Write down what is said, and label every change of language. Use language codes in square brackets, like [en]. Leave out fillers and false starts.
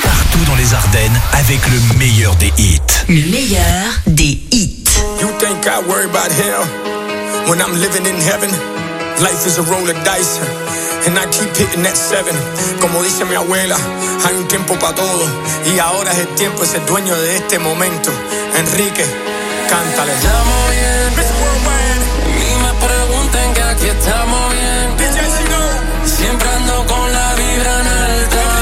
[fr] Partout dans les Ardennes avec le meilleur des hits. Le meilleur des hits. [en] You think I worry about hell when I'm living in heaven? Life is a roll of dice and I keep hitting that seven. [es] Como dice mi abuela, hay un tiempo para todo y ahora es el tiempo, es el dueño de este momento. Enrique, cántale. Estamos bien, Mr. Worldwide. Ni me pregunten que aquí estamos bien. DJ Sino. Siempre ando con la vibra en alta.